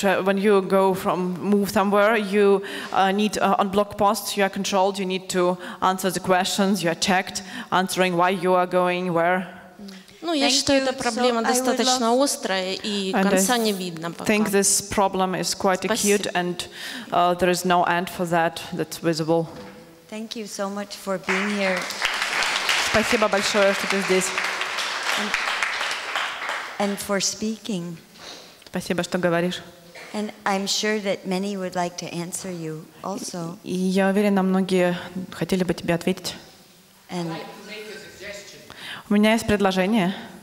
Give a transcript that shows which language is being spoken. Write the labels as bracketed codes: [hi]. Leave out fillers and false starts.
[en] When you move somewhere, you need on block posts. You are controlled. You need to answer the questions. You are checked, answering why you are going where. [ru] Ну, я считаю, эта проблема достаточно острая, и конца не видно пока. [en] I think this problem is quite acute, and there is no end for that. That's visible. Thank you so much for being here. [ru] Спасибо большое, что ты здесь. [en] And for speaking. [ru] Спасибо, что говоришь. [en] And I'm sure that many would like to answer you also. [ru] І я уверена, многие хотели бы тебе ответить. [en] And [ru] у меня есть предложение.